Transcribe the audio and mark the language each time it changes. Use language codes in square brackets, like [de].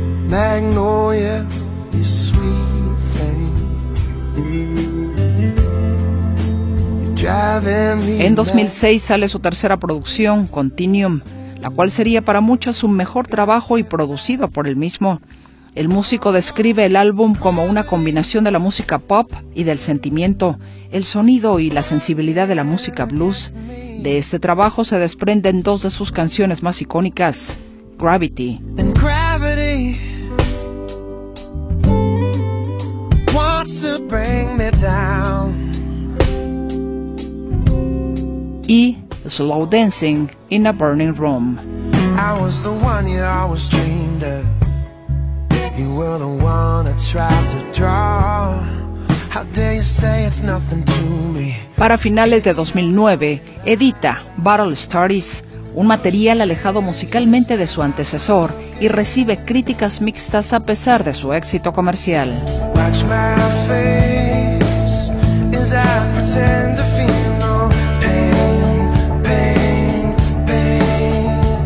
[en] Magnolia, you sweet thing. Driving me. [es] En 2006 sale su tercera producción, Continuum, la cual sería para muchos su mejor trabajo y producido por él mismo. El músico describe el álbum como una combinación de la música pop y del sentimiento, el sonido y la sensibilidad de la música blues. De este trabajo se desprenden 2 de sus canciones más icónicas, Gravity. [en] And Gravity wants to bring me down. Y Slow Dancing in a Burning Room. I was the one you always dreamed of. You were the one that tried to draw. How dare you say it's nothing to me? [es] Para finales de 2009, edita Battle Studies, un material alejado musicalmente de su antecesor, y recibe críticas mixtas a pesar de su éxito comercial. [en] Watch my face as I pretend to feel no pain, pain, pain.